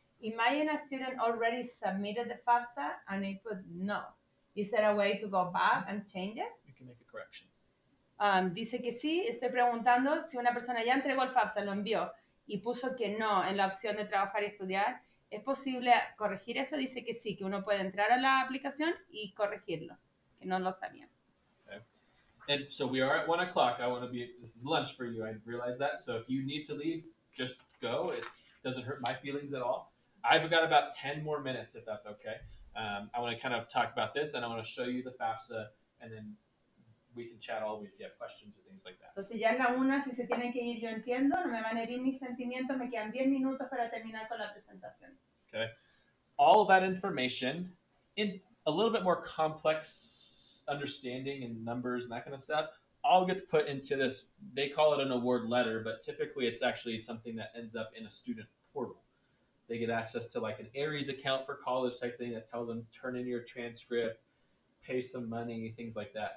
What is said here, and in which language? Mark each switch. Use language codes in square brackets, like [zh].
[en] Imagine a student already submitted the FAFSA and it put no. Is there a way to go back and change it? You can make a correction. [es] Dice que sí. Estoy preguntando si una persona ya entregó el FAFSA, lo envió y puso que no en la opción de trabajar y estudiar. ¿Es posible corregir eso? Dice que sí, que uno puede entrar a la aplicación y corregirlo, que no lo sabía. [en] Okay. And so we are at 1 o'clock. I want to be, this is lunch for you. I realize that. So if you need to leave, just go. It doesn't hurt my feelings at all. I've got about 10 more minutes, if that's okay. I want to kind of talk about this and I want to show you the FAFSA and then we can chat all week if you have questions or things like that. [es] Entonces ya es la una, si se tienen que ir, yo entiendo, no me van a herir mis sentimientos, me quedan 10 minutos para terminar con la presentación. [en] Okay. All of that information, in a little bit more complex understanding and numbers and that kind of stuff, all gets put into this, they call it an award letter, but typically it's actually something that ends up in a student portal. They get access to like an Aries account for college type thing that tells them turn in your transcript, pay some money, things like that.